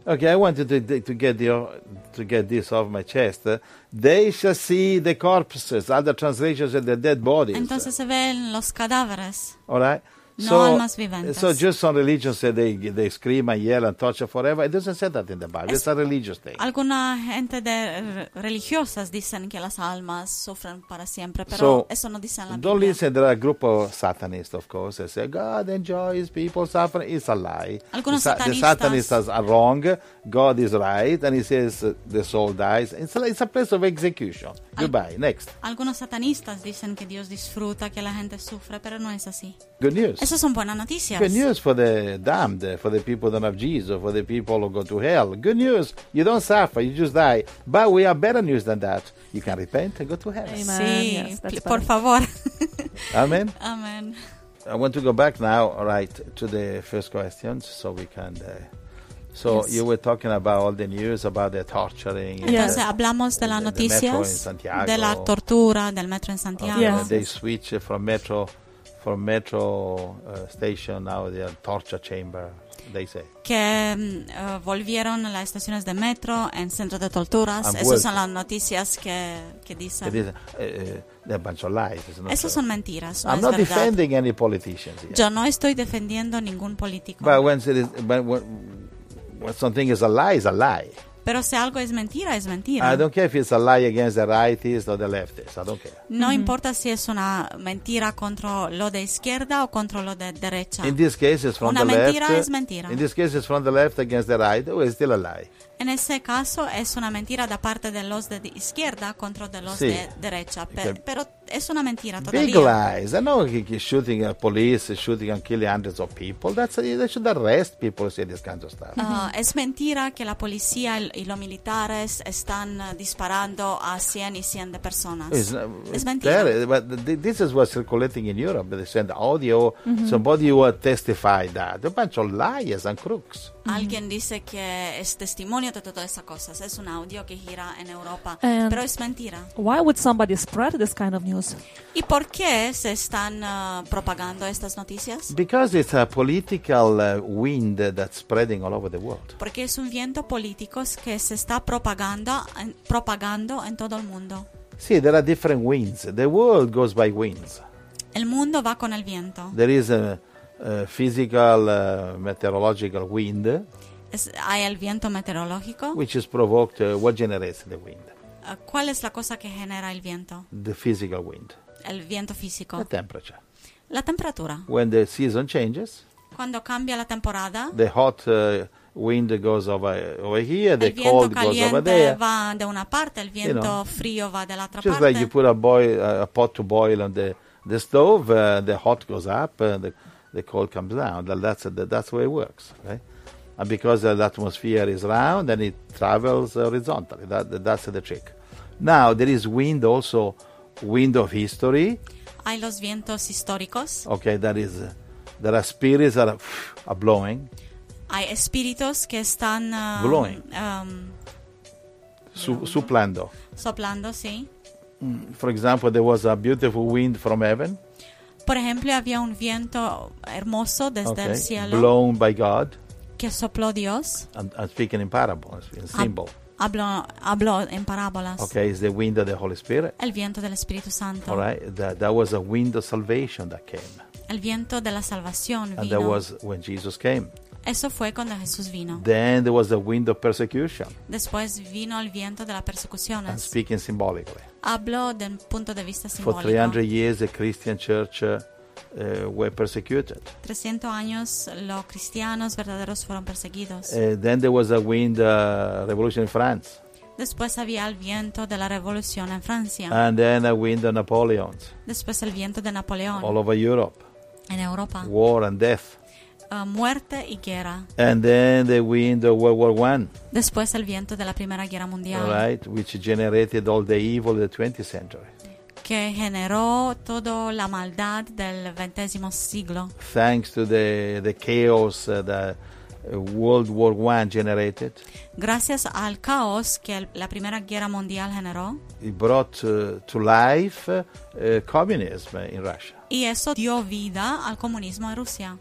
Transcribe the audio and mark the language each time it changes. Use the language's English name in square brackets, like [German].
[English] Okay, I wanted to get this off my chest. They shall see the corpses, other translations of the dead bodies. [Spanish] Entonces se ven los cadáveres. [English] All right. [Spanish] No almas vivientes. [English] So just some religions say they scream and yell and torture forever. It doesn't say that in the Bible. It's a religious thing. [Spanish] Alguna gente de religiosas dicen que las almas sufren para siempre, pero eso no dice en la Biblia. [English] Don't listen to a group of Satanists, of course. They say God enjoys people suffering. It's a lie. [Spanish] Algunos [English] the Satanists are wrong. God is right. And he says the soul dies. It's a place of execution. Goodbye. Next. [Spanish] Algunos satanistas dicen que Dios disfruta que la gente sufre, pero no es así. [English] Good news. [Spanish] Esas son buenas noticias. [English] Good news for the damned, for the people that don't have Jesus, for the people who go to hell. Good news. You don't suffer, you just die. But we have better news than that. You can repent and go to heaven. [Spanish] Amen. Sí, [English] yes, [Spanish] por favor. [English] Amen. Amen. I want to go back now, right, to the first question, so we can... So you were talking about all the news about the torturing. Yes, [Spanish] hablamos de las noticias de la tortura del metro en Santiago. [English] Okay. Yes. They switch from metro station now the torture chamber. They say [Spanish] que volvieron a las estaciones de metro en centro de torturas. Esas son las noticias que dicen. [English] It is, they're a bunch of lies. [Spanish] Esas son mentiras. [English] I'm not defending any politicians. [Spanish] Yo no estoy defendiendo ningún político. [English] But when it is, when something is a lie, it's a lie. [Spanish] Pero si algo es mentira, es mentira. [English] I don't care if it's a lie against the rightists or the leftists. I don't care. [Spanish] No mm-hmm. importa si es una mentira contra lo de izquierda o contra lo de derecha. [English] In this case, it's from [Spanish] una mentira [English] left. [Spanish] Es mentira. [English] In this case, it's from the left against the right. Oh, it's still a lie. [Spanish] En ese caso, es una mentira da parte de los de izquierda contra de los sí. de derecha. Pero es una mentira todavía. [English] Big lies. I know he's shooting a police, shooting and killing hundreds of people. They should arrest people who say this kind of stuff. [Spanish] Es mentira que la policía y los militares están disparando a 100 y 100 de personas. Es mentira. [English] But this is what's circulating in Europe. They send audio. Mm-hmm. Somebody will testify that. A bunch of liars and crooks. [Spanish] Mm-hmm. Alguien dice que es testimonio de todas esas cosas. Es un audio que gira en Europa. [English] And [Spanish] pero es mentira. [English] Why would somebody spread this kind of news? [Spanish] ¿Y por qué se están propagando estas noticias? [English] Because it's a political wind that's spreading all over the world. [Spanish] Porque es un viento político que se está propagando en todo el mundo. [English] Sí, there are different winds. The world goes by winds. [Spanish] El mundo va con el viento. [English] There is a physical meteorological wind. [Spanish] Hay el viento meteorológico. [English] Which is provoked, what generates the wind? [Spanish] ¿Cuál es la cosa que genera el viento? [English] The physical wind. [Spanish] El viento físico. [English] The temperature. [Spanish] La temperatura. [English] When the season changes. [Spanish] Cuando cambia la temporada. [English] The hot wind goes over here, the cold goes over there. [Spanish] El viento caliente va de una parte, el viento frío va de la otra parte. [English] Just like you put a pot to boil on the stove, the hot goes up and the cold comes down. That's the way it works, right? And because the atmosphere is round, then it travels horizontally. That's the trick. Now, there is wind also, wind of history. [Spanish] Hay los vientos históricos. [English] Okay, that is, there are spirits that are blowing. [Spanish] Hay espíritus que están... [English] blowing. [Spanish] Soplando. Soplando, sí. [English] For example, there was a beautiful wind from heaven. [Spanish] Por ejemplo, había un viento hermoso desde el cielo. [English] Blown by God. [Spanish] Que sopló Dios. [English] I'm speaking in parables, in symbol. [Spanish] Hablo en parábolas. [English] Okay, it's the wind of the Holy Spirit. [Spanish] El viento del Espíritu Santo. [English] All right, that was a wind of salvation that came. [Spanish] El viento de la salvación vino. [English] And that was when Jesus came. [Spanish] Eso fue cuando Jesús vino. [English] Then there was the wind of persecution. [Spanish] Después vino el viento de la persecución. [English] I'm speaking symbolically. [Spanish] Hablo de un punto de vista simbólico. [English] For 300 years, the Christian church were persecuted. [Spanish] 300 años, los cristianos verdaderos fueron perseguidos. [English] Then there was a wind revolution in France. [Spanish] Después había el viento de la revolución en Francia. [English] And then a wind of Napoleon. [Spanish] Después el viento de Napoleón. [English] All over Europe. [Spanish] En Europa. [English] War and death. [Spanish] Muerte y guerra. [English] And then the wind of World War I. [Spanish] Después el viento de la Primera Guerra Mundial. [English] Right, which generated all the evil of the 20th century. [Spanish] Que generó toda la maldad del 20th siglo. [English] Thanks to the chaos that World War I generated. [Spanish] Gracias al caos que la Primera Guerra Mundial generó. [English] It brought to life communism in Russia. [Spanish] Y eso dio vida al comunismo en Rusia.